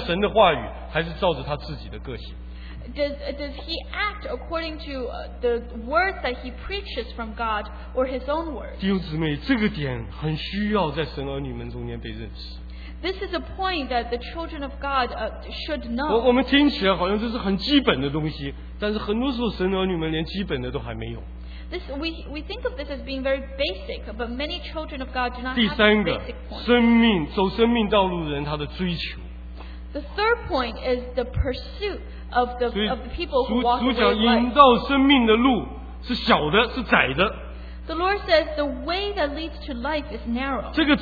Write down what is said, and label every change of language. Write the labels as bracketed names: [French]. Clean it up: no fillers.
[Chinese] 他行的是照着他传的神的话语还是照着他自己的个性？ [English] Does he act according to the words that he preaches from God or his own words? [Chinese] 弟兄姊妹，这个点很需要在神儿女们中间被认识。 [English] This is a point that the children of God should know. [Chinese] 我们听起来好像这是很基本的东西，但是很多时候神儿女们连基本的都还没有。 [English] This we think of this as being very basic, but many children of God do not [Chinese] 第三个, [English] have this basic point. [Chinese] 生命走生命道路的人，他的追求。 [English] The third point is the pursuit. Of the, of the people who walk away. [Chinese] 主讲引导生命的路是小的，是窄的。 [English] The Lord says the way that leads to life is narrow.